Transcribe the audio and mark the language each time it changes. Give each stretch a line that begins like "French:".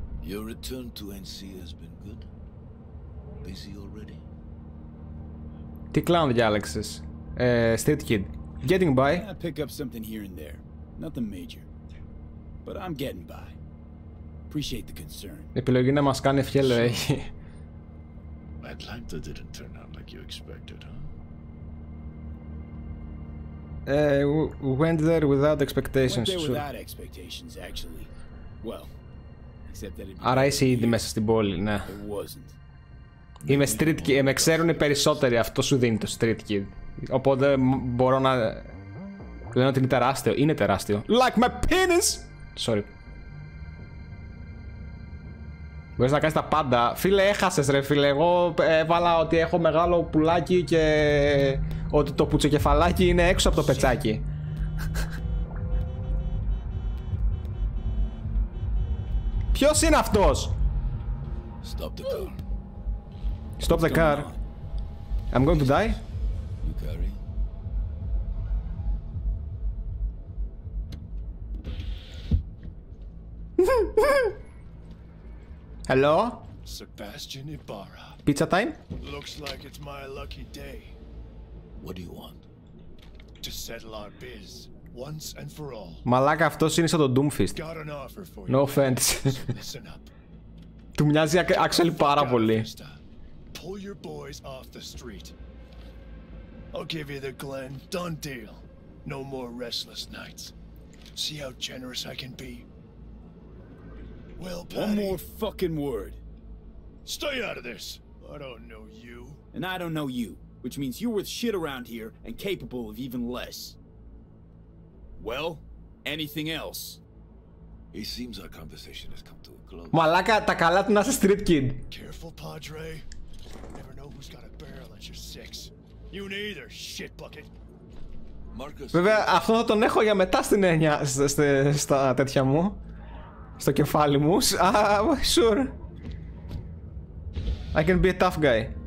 English: Your return to NC has been good. Busy already?
Greek: Τι κλάνε διάλεξες. State Kid.
English: Getting by. I pick up something here and there. Nothing major. But I'm getting by. Appreciate the concern.
Greek: Επιλογή να μας κάνει ευχέλαιο έχει.
English: Atlanta didn't turn out like you expected, huh? Went there without expectations. Went there without expectations, actually. Well, except that it.
Greek: Άρα είσαι ήδη μέσα στην πόλη, ναι.
English: It wasn't.
Greek: Είμαι street kid, με ξέρουν οι περισσότεροι, αυτό σου δίνει το street kid. Οπότε μπορώ να λέω ότι είναι τεράστιο. Είναι τεράστιο.
English: Like my penis! Sorry.
Greek: Μπορείς να κάνεις τα πάντα. Φίλε, έχασες ρε φίλε. Εγώ έβαλα ότι έχω μεγάλο πουλάκι και ότι το πουτσοκεφαλάκι είναι έξω από το πετσάκι. Ποιος είναι αυτός?
English: Stop the car. Stop the car. I'm going to die. Hello? Sebastian Ibarra. Pizza time? Looks like it's my lucky day. What do you want? To settle our biz once and for all.
Greek: Μαλάκα, αυτός είναι σαν τον Doomfist.
English: Got an offer for you. No offense. So listen up.
Greek: Του μοιάζει Axel πάρα πολύ.
English: Pull your boys off the street. I'll give you the Glen. Done deal. No more restless nights. See how generous I can be. Well, Patty, one more fucking word. Stay out of this. I don't know you. And I don't know you, which means you're worth shit around here and capable of even less. Well, anything else? It seems our conversation has come to a close.
Greek: Μαλάκα, τα καλά του να είσαι street kid.
English: Careful, Padre. You never know who's got a barrel at your six. You neither, shit bucket. Marcus.
Greek: Βέβαια, αυτό θα τον έχω για μετά στην έννοια, στα τέτοια μου. Στο κεφάλι μου,
English: sure. I can be a tough guy.